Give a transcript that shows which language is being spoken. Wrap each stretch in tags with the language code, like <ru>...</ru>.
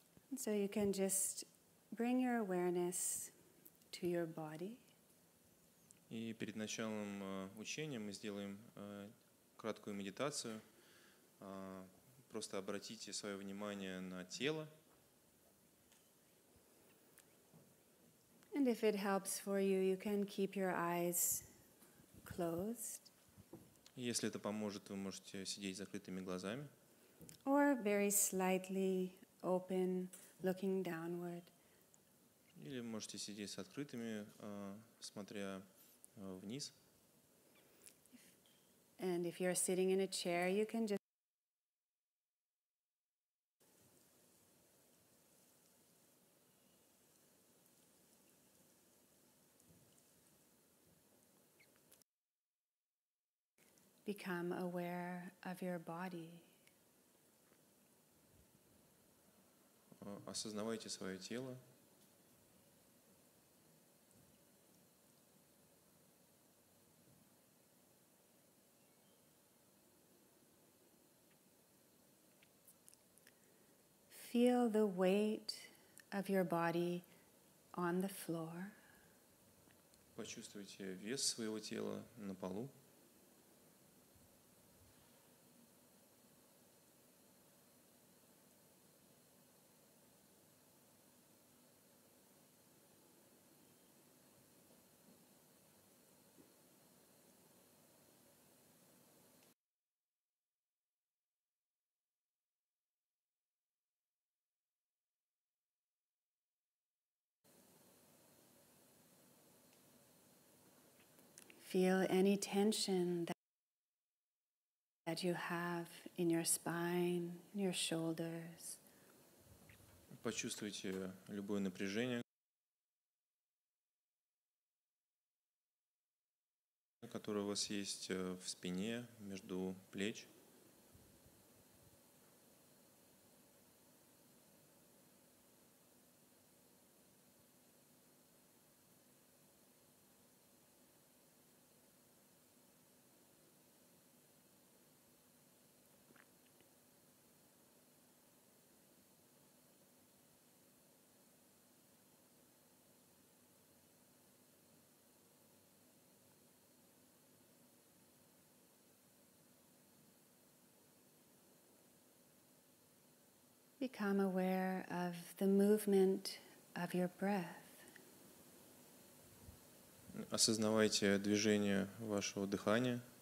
<en>And so you can just bring your awareness to your body.</en> <ru>И перед началом учения мы сделаем краткую медитацию. Просто обратите свое внимание на тело.</ru> <en>And if it helps for you, you can keep your eyes closed.</en> <ru>Если это поможет, вы можете сидеть с закрытыми глазами.</ru> <en>Or very slightly open, looking downward.</en> <ru>Или можете сидеть с открытыми, смотря вниз.</ru> <en>And if you're sitting in a chair, you can just become aware of your body.</en> <ru>Осознавайте свое тело.</ru> <en>Feel the weight of your body on the floor.</en> <ru>Почувствуйте вес своего тела на полу.</ru> <en>Feel any tension that you have in your spine, your shoulders.</en> <ru>Почувствуйте любое напряжение, которое у вас есть в спине, между плеч.</ru> <en>Become aware of the movement of your breath.</en> <ru>Осознавайте движение вашего дыхания.</ru>